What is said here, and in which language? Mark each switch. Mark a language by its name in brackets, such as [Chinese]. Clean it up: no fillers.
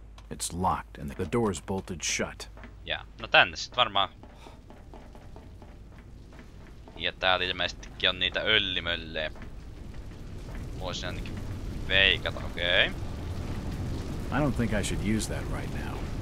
[English] It's locked, and the door is bolted shut. [Finnish] Jaa, no tänne sitten varmaan. Ja täällä ilmeisestikin on niitä öllimöllejä. Voisin ainakin veikata, okei. [English] I don't think I should use that right now.